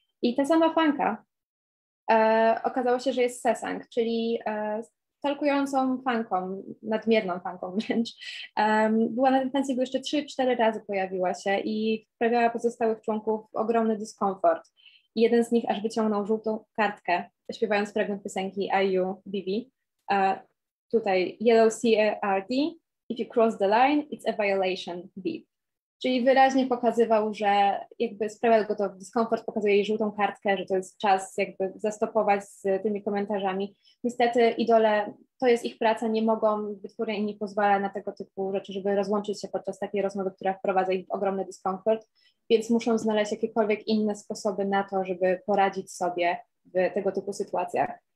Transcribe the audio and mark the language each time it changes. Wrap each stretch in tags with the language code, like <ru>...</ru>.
<pl>I ta sama fanka okazało się, że jest sesang, czyli stalkującą fanką, nadmierną fanką wręcz. Była na tym fansingu jeszcze 3-4 razy pojawiła się i wprawiała pozostałych członków ogromny dyskomfort. I jeden z nich aż wyciągnął żółtą kartkę, śpiewając fragment piosenki IU BB. Tutaj</pl> <en>Yellow CRD, if you cross the line, it's a violation, beep.</en> <pl>Czyli wyraźnie pokazywał, że jakby sprawia go to w dyskomfort, pokazuje jej żółtą kartkę, że to jest czas jakby zastopować z tymi komentarzami. Niestety idole, to jest ich praca, nie mogą, wytwórnia im nie pozwala na tego typu rzeczy, żeby rozłączyć się podczas takiej rozmowy, która wprowadza ich w ogromny dyskomfort, więc muszą znaleźć jakiekolwiek inne sposoby na to, żeby poradzić sobie w tego typu sytuacjach.</pl>